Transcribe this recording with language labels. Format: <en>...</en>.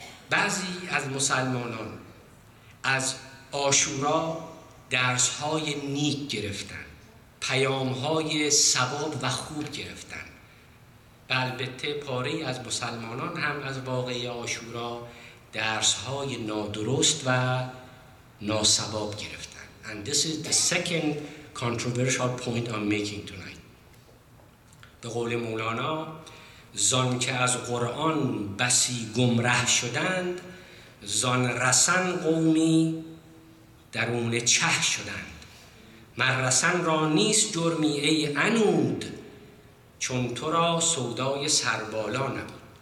<fa>بعضی از مسلمانان از عاشورا درس‌های نیک گرفتند، پیام‌های ثواب و خوب گرفتند. البته پاره ای از مسلمانان هم از واقعه عاشورا درس‌های نادرست و ناسواب گرفتند.</fa> <en>And this is the second controversial point I'm making tonight.</en> <fa>به قول مولانا، زان که از قرآن بسی گمره شدند، زان رسن قومی درون چه شدند. مر رسن را نیست جرمی ای انود، چون تو را سودای سربالا نبود.</fa>